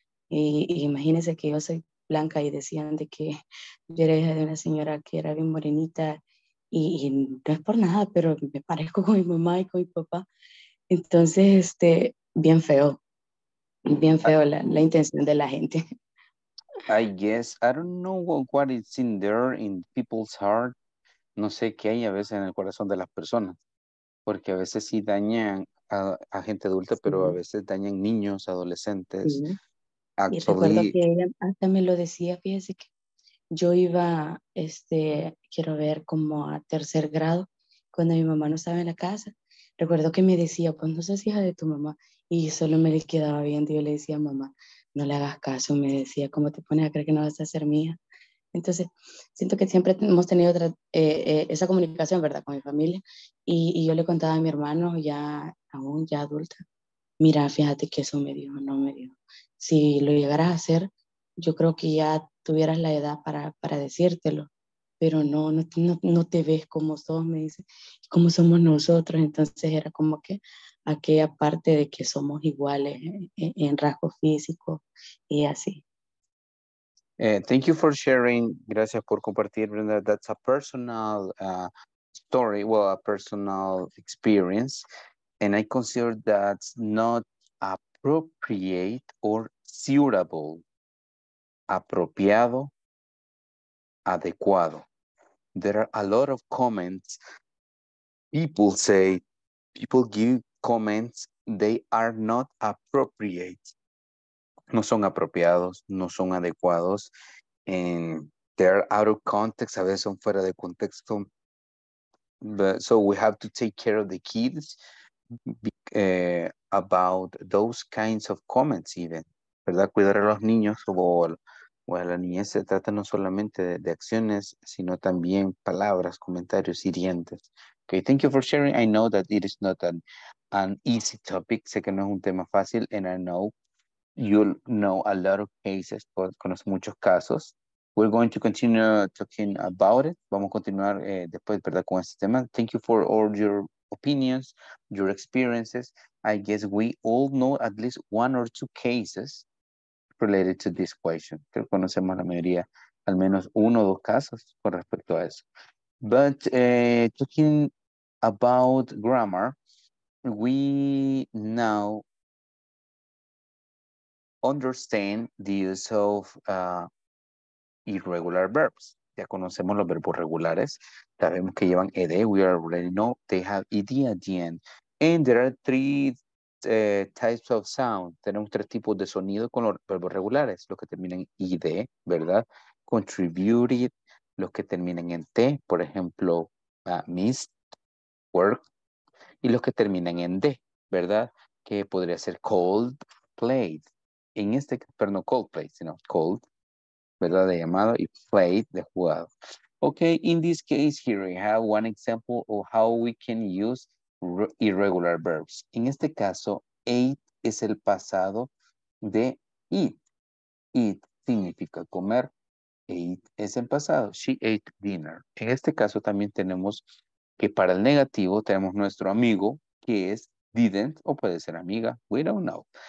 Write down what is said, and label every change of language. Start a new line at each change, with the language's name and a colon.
Spanish: Y imagínense que yo soy blanca y decían de que yo era hija de una señora que era bien morenita y no es por nada, pero me parezco con mi mamá y con mi papá. Entonces, bien feo la intención de la gente.
English: I guess, I don't know what is in there in people's heart.
Spanish: No sé qué hay a veces en el corazón de las personas, porque a veces sí dañan a gente adulta, sí. Pero a veces dañan niños, adolescentes. Sí. Actually, y recuerdo que ella hasta me lo decía, fíjese que yo iba, quiero ver, como a tercer grado, cuando mi mamá no estaba en la casa. Recuerdo que me decía, pues no seas hija de tu mamá, y solo me le quedaba viendo y yo le decía, mamá, no le hagas caso, me decía, ¿cómo te pones a creer que no vas a ser mía? Entonces, siento que siempre hemos tenido esa comunicación, ¿verdad?, con mi familia, y yo le contaba a mi hermano, ya aún, ya adulta, mira, fíjate que eso me dijo, no me dijo. Si lo llegaras a hacer, yo creo que ya tuvieras la edad para decírtelo, pero no te ves como sos, me dice, como somos nosotros. Entonces era como que aquella parte de que somos iguales en rasgo físico y así.
English: Thank you for sharing.
Spanish: Gracias por compartir,
English: Brenda. That's a personal story, well, a personal experience. And I consider that's not appropriate or suitable.
Spanish: Apropiado, adecuado.
English: There are a lot of comments. People say, people give comments, they are not appropriate.
Spanish: No son apropiados, no son adecuados.
English: And they're out of context,
Spanish: a veces son fuera de contexto.
English: But, so we have to take care of the kids about those kinds of comments even.
Spanish: ¿Verdad? Cuidar a los niños o a la niñez se trata no solamente de acciones, sino también palabras, comentarios hirientes.
English: Okay, thank you for sharing. I know that it is not an easy topic.
Spanish: Sé que no es un tema fácil,
English: and I know you'll know a lot of cases,
Spanish: conozco muchos casos.
English: We're going to continue talking about it.
Spanish: Vamos a continuar después, ¿verdad?, con este tema.
English: Thank you for all your opinions, your experiences. I guess we all know at least one or two cases related to this question.
Spanish: Creo que conocemos la mayoría, al menos uno o dos casos con respecto a eso.
English: But talking about grammar, we now understand the use of irregular verbs.
Spanish: Ya conocemos los verbos regulares. Sabemos que llevan ed.
English: We already know they have ed at the end. And there are three types of sound.
Spanish: Tenemos tres tipos de sonido con los verbos regulares. Los que terminan en ed, ¿verdad? Contributed. Los que terminan en T, por ejemplo, missed, work, y los que terminan en D, ¿verdad? Que podría ser cold, played. En este caso, pero no cold, played, sino cold, ¿verdad? De llamado, y played, de jugado.
English: Ok, in this case here, we have one example of how we can use irregular verbs.
Spanish: En este caso, ate es el pasado de eat. Eat significa comer. Ate es el pasado.
English: She ate dinner.
Spanish: En este caso también tenemos que para el negativo tenemos nuestro amigo que es didn't o puede ser amiga.
English: We don't know.